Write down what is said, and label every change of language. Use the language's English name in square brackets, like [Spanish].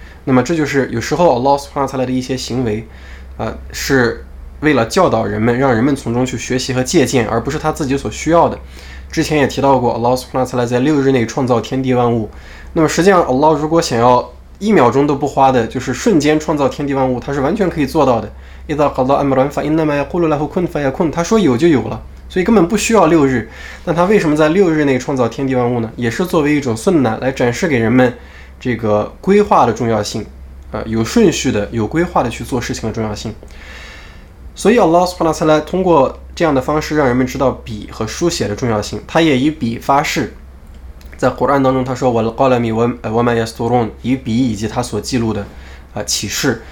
[Chinese] 那么这就是有时候 Allah Subhanahu wa Ta'ala 的一些行为，是为了教导人们，让人们从中去学习和借鉴，而不是他自己所需要的。之前也提到过 Allah Subhanahu wa Ta'ala 在六日内创造天地万物，那么实际上 Allah 如果想要一秒钟都不花的，就是瞬间创造天地万物，他是完全可以做到的。 [Arabic] إِذَا قَضَى أَمْرًا فَإِنَّمَا يَقُولُ لَهُ كُنْ فَيَكُنْ [Chinese] 他说有就有了，所以根本不需要六日。那他为什么在六日内创造天地万物呢？也是作为一种sunna来展示给人们这个规划的重要性，有顺序的、有规划的去做事情的重要性。所以 Allah subhanahu wa ta'ala 通过这样的方式让人们知道笔和书写的重要性，他也以笔发誓，在 Quran 当中他说 [Arabic] وَالْقَلَمِ وَمَا يَسْتُرُونَ [Chinese] 以笔以及他所记录的启示。